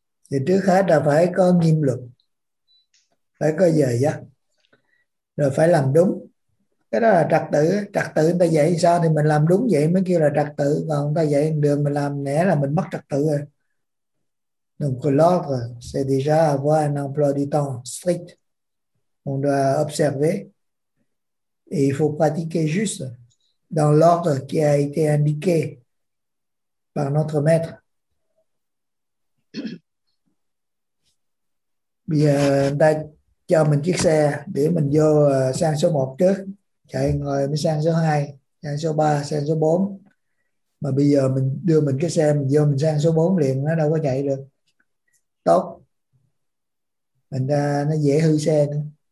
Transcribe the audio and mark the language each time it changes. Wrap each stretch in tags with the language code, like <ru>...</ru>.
<vi>Thì trước hết là phải có nghiêm luật, phải có giờ giấc, rồi phải làm đúng. Cái đó là trật tự. Trật tự người ta dạy sao thì mình làm đúng vậy mới kêu là trật tự, còn người ta dạy đường mình làm nẻ là mình mất trật tự rồi.</vi> <fr>Donc l'ordre, c'est déjà avoir un emploi du temps strict. On doit observer et il faut pratiquer juste dans l'ordre qui a été indiqué par notre maître.</fr> <vi>Bây giờ người ta cho mình chiếc xe để mình vô sang số 1 trước, chạy ngồi mới sang số 2, sang số 3, sang số 4. Mà bây giờ mình đưa mình cái xe mình vô mình sang số 4 liền, nó đâu có chạy được tốt, mình ra nó dễ hư xe nữa.</vi>